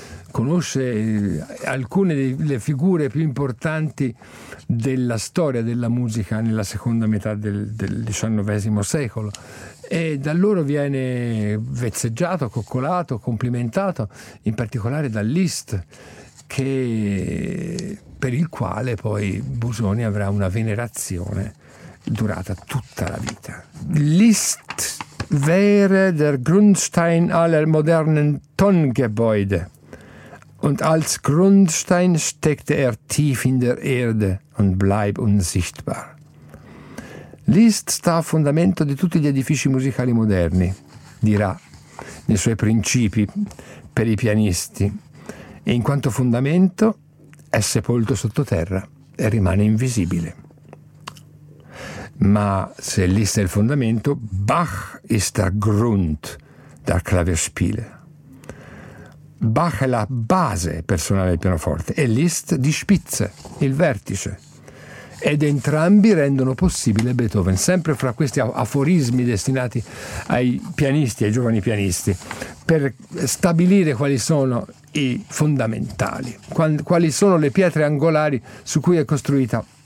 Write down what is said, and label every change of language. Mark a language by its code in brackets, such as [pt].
[it] conosce alcune delle figure più importanti della storia della musica nella seconda metà del XIX secolo, e da loro viene vezzeggiato, coccolato, complimentato, in particolare da Liszt, che per il quale poi Busoni avrà una venerazione durata tutta la vita. [de] Liszt wäre der Grundstein aller modernen Tongebäude. Und als Grundstein steckte tief in der Erde und bleib unsichtbar. [it] Liszt sta a fondamento di tutti gli edifici musicali moderni, dirà, nei suoi Principi per i pianisti, e in quanto fondamento è sepolto sottoterra e rimane invisibile. Ma se Liszt è il fondamento, [de] Bach ist der Grund der Klavierspiele. [it] Bach è la base per suonare il pianoforte e Liszt di spitze, il vertice, ed entrambi rendono possibile Beethoven. Sempre fra questi aforismi destinati ai pianisti, ai giovani pianisti, per stabilire quali sono i fondamentali, quali sono le pietre angolari su cui è costruita